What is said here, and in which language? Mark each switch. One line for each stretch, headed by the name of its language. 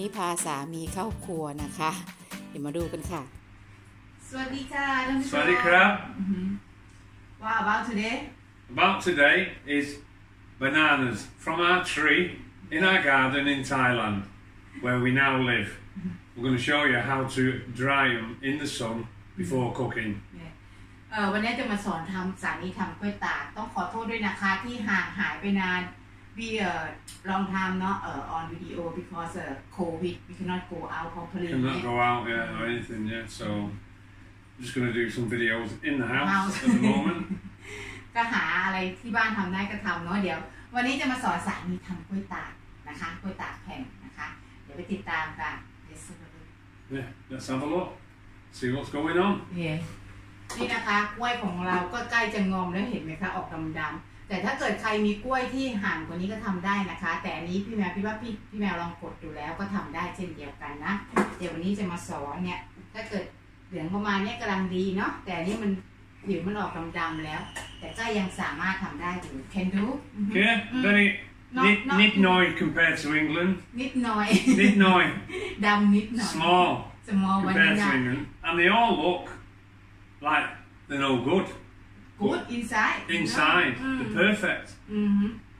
Thai: าสามีเข้าครัวนะคะเดี๋ยวมาดูกันค่ะ สวัสดีค่ะท่านผู้ชม สวัสดีครับ
English: What about today? About today is bananas from our tree in our garden in Thailand where we now live. We're going to show you how to dry them in the sun before cooking.
Thai: วันนี้จะมาสอนทำสานีทำกล้วยตากต้องขอโทษด้วยนะคะที่ห่างหายไปนาน
English: We long time not on video because COVID. We cannot go out properly. Cannot go out, yeah, or anything, yeah. So I'm just going to do some videos in the house at the moment.
Thai: ก็หาอะไรที่บ้านทำได้ก็ทำเนาะเดี๋ยววันนี้จะมาสอนสามีทำกล้วยตากนะคะกล้วยตากแผ่นนะคะเดี๋ยวไปติดตามกัน
English: Let's have a look. Yeah, let's have a look. See what's going on.
Thai: Yeah. นี่นะคะกล้วยของเราก็ใกล้จะงอมแล้วเห็นไหมคะออกดำๆแต่ถ้าเกิดใครมีกล้วยที่ห่างกว่านี้ก็ทำได้นะคะแต่อันนี้พี่แมวพี่ว่าพี่แมวลองกดดูแล้วก็ทำได้เช่นเดียวกันนะเดี๋ยววันนี้จะมาสอนเนี่ยถ้าเกิดเหลืองประมาณนี้กำลังดีเนาะแต่นี้มันผิวมันออกดำๆแล้วแต่ก็ยังสามารถทำได้อยู่
English: Can do Okay
Thai: นิดหน่อย
English: compared to England
Thai: นิดหน่อยดำนิดหน่อย
English: small compared to England and they all look like they're no good Good inside. Inside, you know? They're perfect. Mm-hmm.